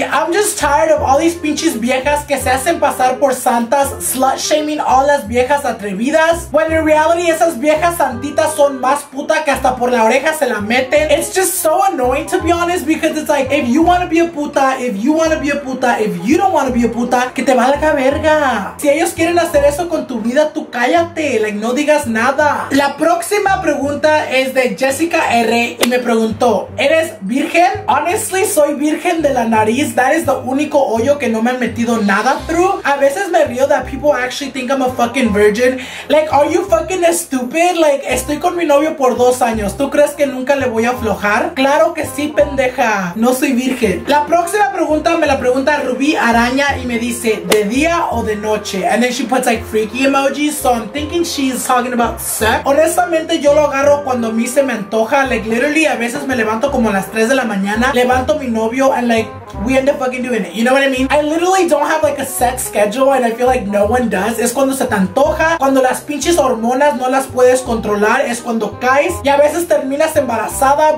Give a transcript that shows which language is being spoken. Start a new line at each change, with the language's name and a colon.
English: I'm just tired of all these
Spanish: pinches viejas que se hacen pasar por santas,
English: slut shaming all
Spanish: las viejas atrevidas,
English: when in reality
Spanish: esas viejas santitas son más puta que hasta por la oreja se la meten.
English: It's just so annoying to be honest, because it's like, if you want to be a puta, if you want to be a puta, if you don't want to be a puta,
Spanish: que te valga verga. Si ellos quieren hacer eso con tu vida, tú cállate, like no digas nada. La próxima pregunta es de Jessica R y me preguntó, ¿eres virgen? Honestly, soy virgen de la nariz.
English: That is the
Spanish: único hoyo que no me han metido nada through. A veces me río
English: that people actually think I'm a fucking virgin. Like, are you fucking stupid? Like,
Spanish: estoy con mi novio por 2 años. ¿Tú crees que nunca le voy a aflojar? Claro que sí, pendeja. No soy virgen. La próxima pregunta me la pregunta Rubí Araña y me dice, ¿de día o de noche?
English: And then she puts like freaky emojis, so I'm thinking she's talking about sex.
Spanish: Honestamente, yo lo agarro cuando a mí se me antoja. Like, literally, a veces me levanto como a las 3 de la mañana, levanto a mi novio
English: and like, we end up fucking doing it. You know what I mean? I literally don't have like a set schedule and I feel like no one does.
Spanish: Es cuando se te antoja, cuando las pinches hormonas no las puedes controlar, es cuando caes y a veces terminas embarazada.